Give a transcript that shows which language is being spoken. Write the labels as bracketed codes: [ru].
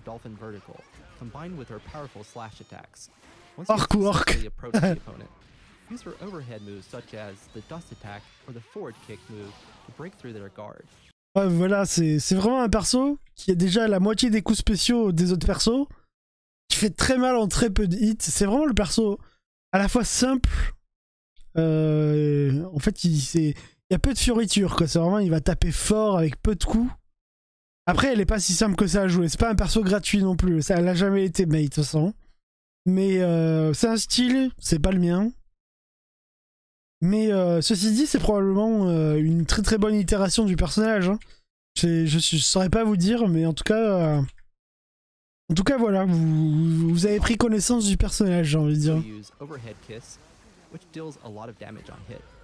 [en] Dolphin Vertical, combined with her powerful slash attacks. Once you successfully approach the opponent, use her overhead moves such as the Dust Attack or the Forward Kick move to break through their guard. [fr] Ouais, voilà, c'est vraiment un perso qui a déjà la moitié des coups spéciaux des autres persos, qui fait très mal en très peu de hits. C'est vraiment le perso à la fois simple, en fait il y a peu de fioritures quoi, c'est vraiment il va taper fort avec peu de coups. Après elle est pas si simple que ça à jouer, c'est pas un perso gratuit non plus, ça, elle a jamais été made de toute façon. Mais c'est un style, c'est pas le mien. Mais ceci dit, c'est probablement une très très bonne itération du personnage. Hein. Je saurais pas vous dire, mais en tout cas voilà, vous avez pris connaissance du personnage, j'ai envie de dire. [en] Overhead kiss, which deals a lot of damage on hit.